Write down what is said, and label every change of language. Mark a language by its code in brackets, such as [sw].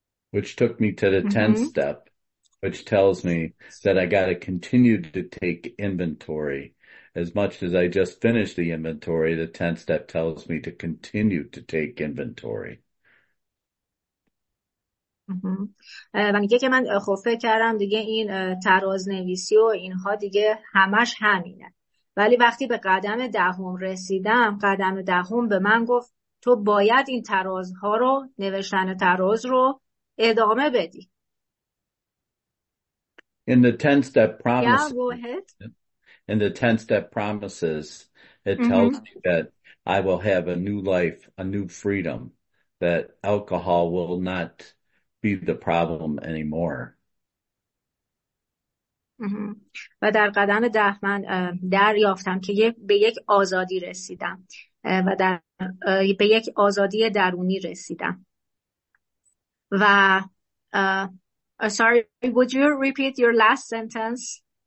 [en] Which took me to the 10th step, which tells me that I got to continue to take inventory. As much as I just finished the inventory, the 10th step tells me to continue to take inventory. [fa] و میگه که من خب فکر کردم دیگه این تراز نویسی و اینها دیگه همش همینه، ولی وقتی به قدم دهم رسیدم، قدم دهم به من گفت تو باید این ترازها رو، نوشتن تراز رو ادامه بدی. [en] In the 10 step promise, yeah, it tells me that I will have a new life, a new freedom, that alcohol will not be the problem anymore. [fa] و در قدم ده من دریافتم که به یک آزادی رسیدم و به یک آزادی درونی رسیدم. و [en] sorry, would you repeat your last sentence?